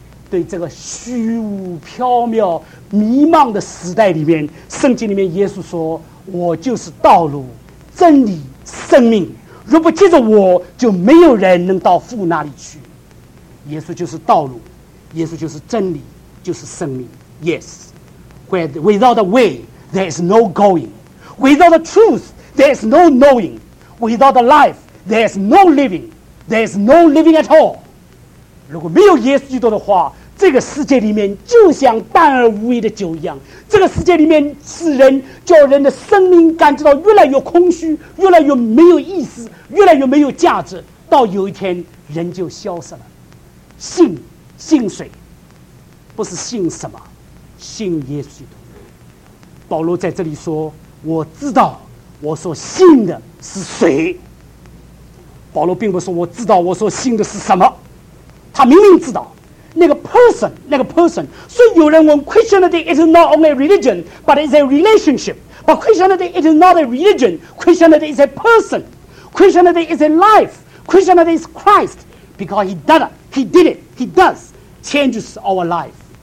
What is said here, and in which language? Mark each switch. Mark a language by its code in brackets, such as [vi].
[zh] 对这个虚无缥缈迷茫的时代里面，圣经里面耶稣说，我就是道路、真理、生命，若不接着我，就没有人能到父那里去。耶稣就是道路，耶稣就是真理，就是生命。 [en] Yes, without the wayThere is no going. Without the truth, there is no knowing. Without the life, there is no living. There is no living at all. [zh] 如果没有耶稣基督的话，这个世界里面就像淡而无味的酒一样。这个世界里面是人，叫人的生命感觉到越来越空虚，越来越没有意思，越来越没有价值。到有一天，人就消失了。信，信谁？不是信什么，信耶稣基督。保罗在这里说，我知道我所信的是谁。保罗并不说我知道我所信的是什么，他明明知道那个 person， 那个 person。所以有人问， [en] Christianity is not only religion but it's a relationship， but Christianity is not a religion， Christianity is a person， Christianity is a life， Christianity is Christ， because he did it， he did it， he does changes our life。